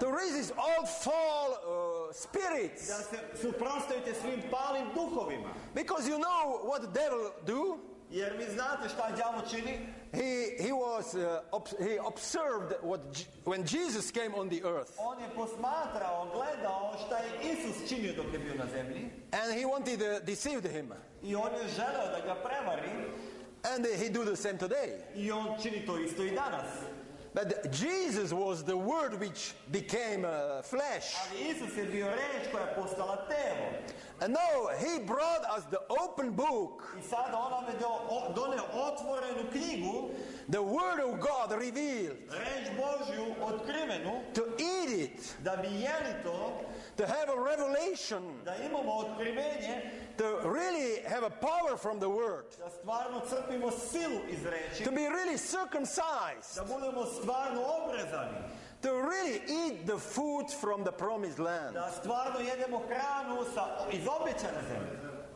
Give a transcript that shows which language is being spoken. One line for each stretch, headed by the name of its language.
English: To resist all all spirits.
Serbian: Da se suprotstavite svim palim duhovima.
English: Because you know what the devil do?
Serbian: Jer vi znate šta đavo čini?
English: He observed what when Jesus came on the earth.
Serbian: On je posmatrao, gledao šta je Isus činio dok je bio na zemlji.
English: And he wanted to deceive him.
Serbian: I on je želeo da ga prevari.
English: And he do the same today.
Serbian: I on čini to isto i danas.
English: But Jesus was the word which became flesh.
Serbian: Ali Isus je bio reč koja je postala telo.
English: And now he brought us the open book.
Serbian: I sad on nam je doneo otvorenu knjigu.
English: The word of God revealed.
Serbian: Reč Božju otkrivenu.
English: To eat it.
Serbian: Da bi jeli to.
English: To have a revelation.
Serbian: Da imamo otkrivenje.
English: To really have a power from the word.
Serbian: Da stvarno crpimo silu iz reči.
English: To be really circumcised.
Serbian: Da budemo stvarno obrezani.
English: To really eat the food from the promised land.
Serbian: Da stvarno jedemo hranu sa iz obećane zemlje.